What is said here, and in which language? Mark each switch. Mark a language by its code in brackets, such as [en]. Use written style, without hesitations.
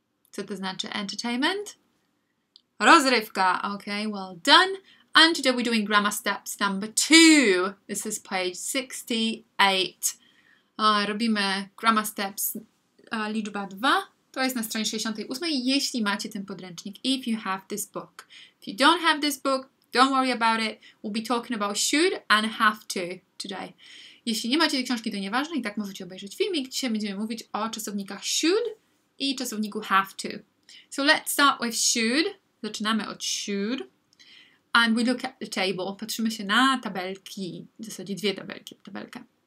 [pl] Co to znaczy entertainment? Rozrywka. [en] Okay, well done. And today we're doing grammar steps number 2. This is page 68. [pl] Robimy [en] grammar steps [pl] liczba 2. To jest na stronie 68, jeśli macie ten podręcznik. [en] If you have this book. If you don't have this book, don't worry about it. We'll be talking about should and have to today. [pl] Jeśli nie macie tej książki, to nieważne. I tak możecie obejrzeć filmik. Dzisiaj będziemy mówić o czasownikach should i czasowniku have to. [en] So let's start with should. [pl] Zaczynamy od [en] should. And we look at the table. [pl] Patrzymy się na tabelki. W zasadzie dwie tabelki. Tabelkę.